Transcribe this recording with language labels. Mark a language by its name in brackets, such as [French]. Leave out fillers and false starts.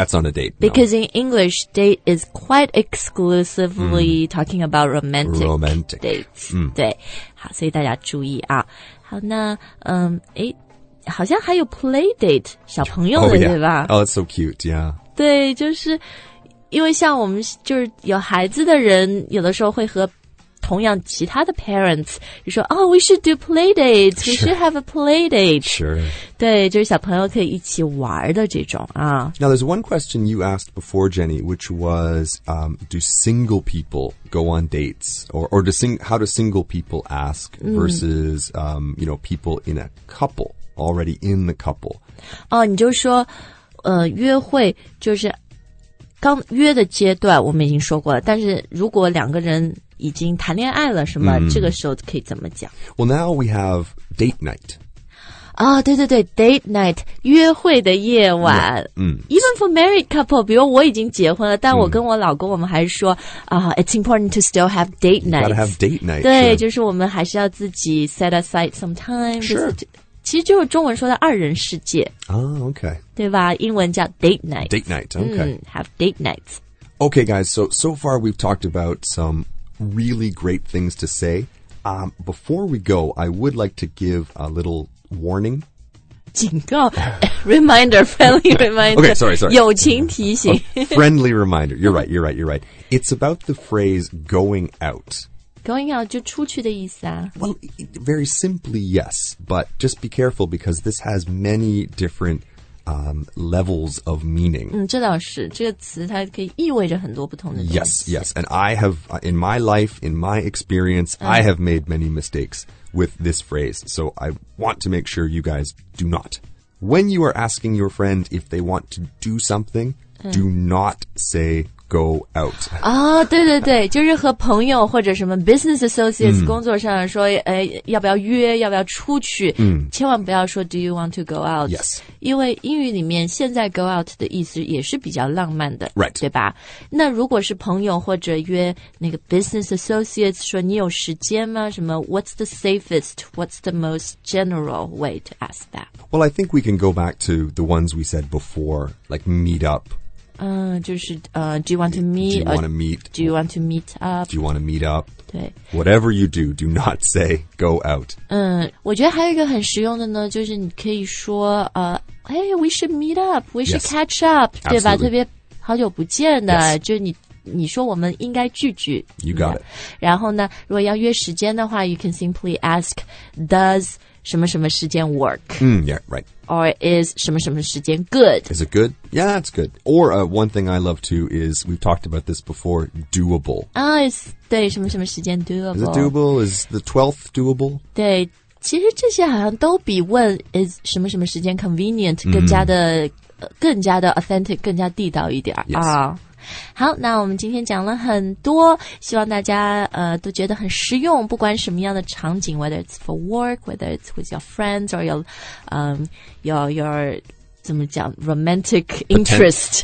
[English] That's not a date Because、 no. in English date is quite exclusively、talking about romantic [Chinese] dates、对好所以大家注意啊好那好像还有 play date, 小朋友的、 [English] oh, yeah. [Chinese] 对吧 [English] Oh, it's so cute, yeah. [Chinese] 对就是因为像我们就是有孩子的人有的时候会和同样其他的 parents, 就说 [English] Oh, we should do play dates, we should have a play date. Sure. [Chinese] 对就是小朋友可以一起玩的这种啊。 [English] Now, there's one question you asked before, Jenny, which was, do single people go on dates? How do single people ask versus,、you know, people in a couple, already in the couple? [Chinese] 哦你就说约会就是刚约的阶段我们已经说过了但是如果两个人已经谈恋爱了是吗、这个时候可以怎么讲 [English] Well, now we have date night. [Chinese] 啊、oh, 对对对 date night, 约会的夜晚。 [English] Yeah, Even for married couple, [Chinese] 比如我已经结婚了但我跟我老公我们还是说、 [English] it's important to still have date night. Gotta have date night. [Chinese] 对、 [English] sure. [Chinese] 就是我们还是要自己 [English] set aside some time. Sure. [Chinese] 其实就是中文说的二人世界。 [English] 啊、oh, okay. [Chinese] 对吧英文叫 date night. [English] Date night, okay.、 have date nights. Okay, guys, so far we've talked about some... really great things to say. Before we go, I would like to give a little warning. 警告 Reminder, friendly reminder. Okay, sorry. [Chinese] 友情提醒 [English] Friendly reminder. You're right. It's about the phrase going out. [Chinese] Going out 就出去的意思啊。 [English] Well, very simply, yes. But just be careful because this has many different、levels of meaning. [Chinese] 嗯，这倒是，这个词它可以意味着很多不同的东西。 [English] Yes, yes. And I have, in my life, in my experience,、I have made many mistakes with this phrase. So I want to make sure you guys do not. When you are asking your friend if they want to do something,、do not say go out. [Chinese] 啊、oh, 对对对就是和朋友或者什么 business associates、工作上说、要不要约要不要出去、千万不要说 [English] do you want to go out? Yes. [Chinese] 因为英语里面现在 go out 的意思也是比较浪漫的、 [English] right. [Chinese] 对吧那如果是朋友或者约那个 business associates 说你有时间吗什么 [English] what's the safest, what's the most general way to ask that? Well, I think we can go back to the ones we said before, like meet up. 就是do you want to meet? Do you want to meet? Do you want to meet up? Do you want to meet up? [Chinese] 对 [English] Whatever you do, do not say go out. [Chinese] 我觉得还有一个很实用的呢就是你可以说 [English] hey, we should meet up, we should、 yes. catch up, 对吧 Absolutely. [Chinese] 特别好久不见的、 [English] yes. [Chinese] 就是你说我们应该聚聚 [English] You got it. [Chinese] 然后呢如果要约时间的话 [English] you can simply ask, does [Chinese] 什么什么时间 work?、 [English] yeah, right. Or is [Chinese] 什么什么时间 [English] good? Is it good? Yeah, that's good. Or、one thing I love too is, we've talked about this before, doable. Ah,、oh, it's, [Chinese] 对什么什么时间 [English] doable. Is it doable? Is the 12th doable? [Chinese] 对其实这些好像都比问 is 什么什么时间 convenient 更加的、更加的 authentic, 更加地道一点、 [English] yes. [Chinese] 啊。好那我们今天讲了很多希望大家都觉得很实用不管什么样的场景 [English] whether it's for work, whether it's with your friends or your [Chinese] 怎么讲 [English] romantic interest